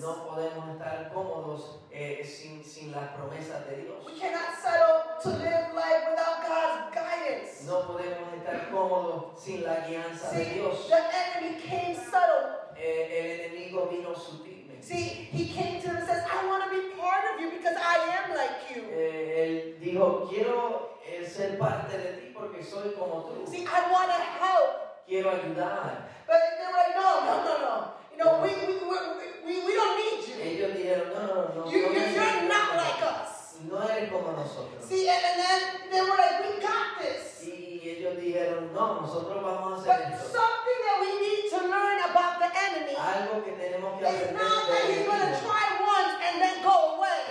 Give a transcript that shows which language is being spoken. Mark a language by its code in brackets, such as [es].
[es] No podemos estar cómodos sin las promesas de Dios. [en] We cannot settle to live life without God's guidance. [es] No podemos estar cómodos sin la guianza de Dios. [en] The enemy came subtle. [es] El enemigo vino sutilmente. [en] See, he came to him and says, I want to be part of you because I am like you. [es] Él dijo, quiero ser parte de ti porque soy como tú. [en] See, I want to help. [es] Quiero ayudar. [en] But they're like, no. You know, we don't need you. [es] Ellos dijeron, no. [en] You're not like us. [es] No eres como nosotros. [en] See, and then they were like, we got this. [es] Y ellos dijeron, no, nosotros vamos a hacer [en] but [es] esto. [en] Something that we need to learn about the enemy. [es] Algo que tenemos que aprender. [en] Is not that he's going to try once and then go away.